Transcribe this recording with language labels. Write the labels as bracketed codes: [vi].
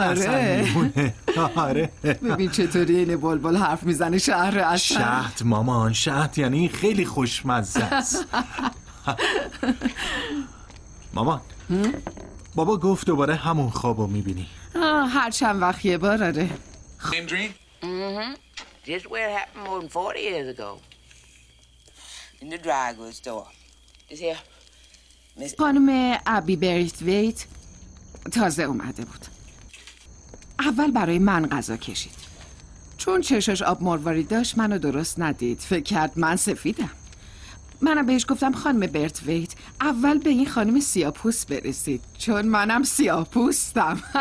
[fa] اصلا میمونه. آره. ببین چطوری این بلبل حرف میزنه. شهر اصلا شهد مامان، شهد یعنی خیلی خوشمزه است. مامان، بابا گفت دوباره همون خوابو میبینی. هر چند وقت یه بار. آره. [en] Same dream? Just where it happened more than 40 years ago. In the dry goods store. Is here. [fa] Miss خانم ابی بریت‌ویت تازه اومده بود. اول برای من غذا کشید. چون چشاش آب مرواری داشت منو درست ندید. فکر کرد من سفیدم. منم بهش گفتم خانم برت‌ویت اول به این خانم سیاه‌پوست برسید چون منم سیاه‌پوستم.